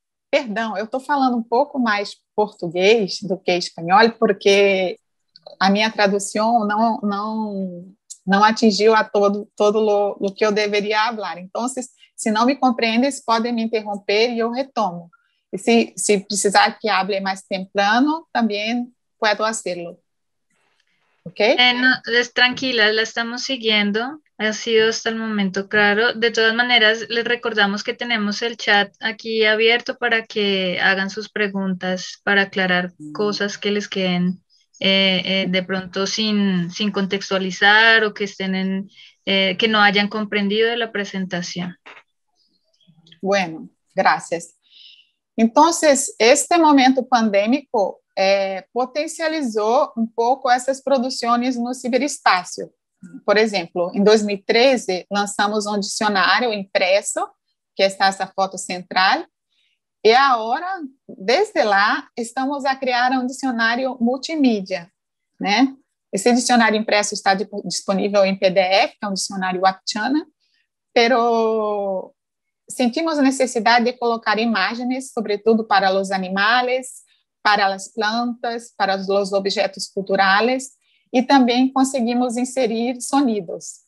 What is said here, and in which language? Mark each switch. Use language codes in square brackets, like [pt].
[pt] Perdão, eu estou falando um pouco mais português do que espanhol, porque a minha tradução não atingiu a todo o que eu deveria falar. Então, se não me compreendem, podem me interromper e eu retomo. E se precisar que hable mais temprano, também posso fazê-lo. Ok? [es] No, es tranquila, la estamos siguiendo. Ha sido hasta el momento claro. De todas maneras, les recordamos que tenemos el chat aquí abierto para que hagan sus preguntas, para aclarar cosas que les queden de pronto sin contextualizar o que estén que no hayan comprendido de la presentación. Bueno, gracias. Entonces, este momento pandémico potencializó un poco esas producciones en el ciberespacio. [pt] Por exemplo, em 2013, lançamos um dicionário impresso, que está essa foto central, e agora, desde lá, estamos a criar um dicionário multimídia, né? Esse dicionário impresso está disponível em PDF, que é um dicionário Wapchana, pero sentimos a necessidade de colocar imagens, sobretudo para os animais, para as plantas, para os objetos culturais, e também conseguimos inserir sonidos.